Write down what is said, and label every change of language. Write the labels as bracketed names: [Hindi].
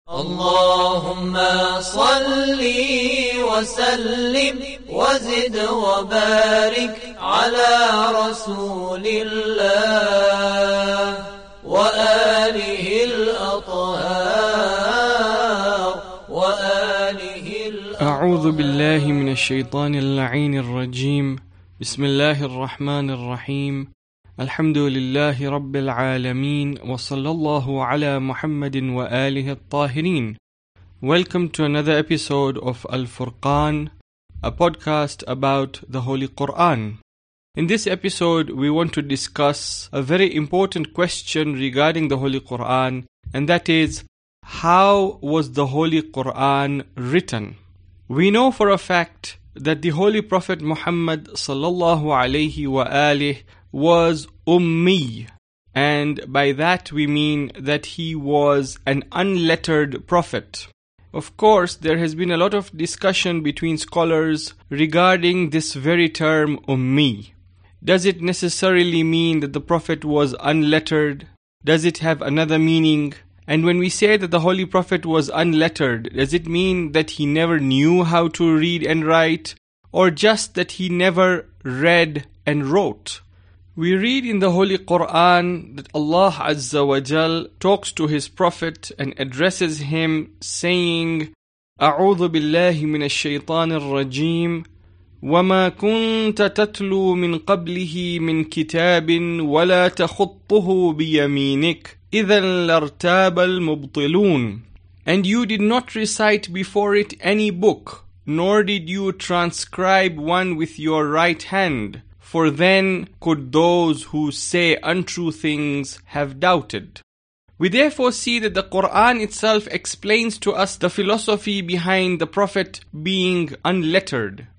[Arabic] اللهم صلي وسلم وزد وبارك على رسول الله وآله الأطهار وآله الأطهار. أعوذ بالله من الشيطان اللعين الرجيم. بسم الله الرحمن الرحيم. الحمد لله رب العالمين وصلى الله على محمد وآله الطاهرين. [English] Welcome to another episode of Al-Furqan, a podcast about the Holy Qur'an. In this episode, we want to discuss a very important question regarding the Holy Qur'an, and that is, how was the Holy Qur'an written? We know for a fact that the Holy Prophet Muhammad sallallahu alayhi wa alih was ummi, and by that we mean that he was an unlettered prophet. Of course, there has been a lot of discussion between scholars regarding this very term ummi. Does it necessarily mean that the prophet was unlettered? Does it have another meaning? And when we say that the Holy Prophet was unlettered, does it mean that he never knew how to read and write, or just that he never read and wrote? We read in the Holy Qur'an that Allah Azza wa Jal talks to his Prophet and addresses him saying, [Arabic] أعوذ بالله من الشيطان الرجيم وما كنت تتلو من قبله من كتاب ولا تخطه بيمينك إذا لارتاب المبطلون. [English] And you did not recite before it any book, nor did you transcribe one with your right hand. For then could those who say untrue things have doubted. We therefore see that the Qur'an itself explains to us the philosophy behind the Prophet being unlettered.